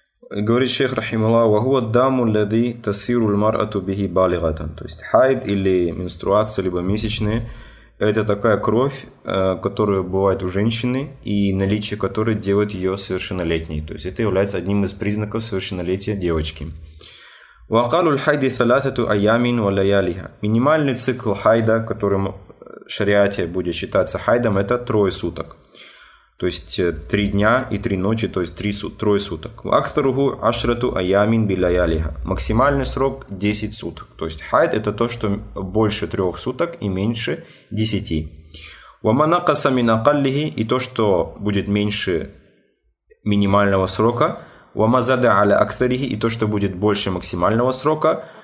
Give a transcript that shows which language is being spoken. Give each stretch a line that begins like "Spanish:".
Russian: Говорит шейх
Arabic: рахималлах, «Ва хуа даму лады тасиру л-марату бихи балигатан».
Russian: То есть хайд или менструация, либо месячные, это такая кровь, которая бывает у женщины, и наличие которой делает ее совершеннолетней. То есть это является одним из признаков совершеннолетия девочки.
Arabic: وقالوا الحيد ثلاثة أيام ولياليها.
Russian: Минимальный цикл хайда, которым в шариате будет считаться хайдом, это трое суток. То есть три дня и три ночи, то есть трое суток.
Arabic: وأكثره عشرة أيام بلياليها.
Russian: Максимальный срок 10 суток. То есть хайд это то, что больше трех суток и меньше 10.
Arabic: ومن نقص من أقله
Russian: и то, что будет меньше минимального срока.
Arabic: وَمَا زَدَ عَلَى أَكْثَرِهِ
Russian: и то, что будет больше максимального срока.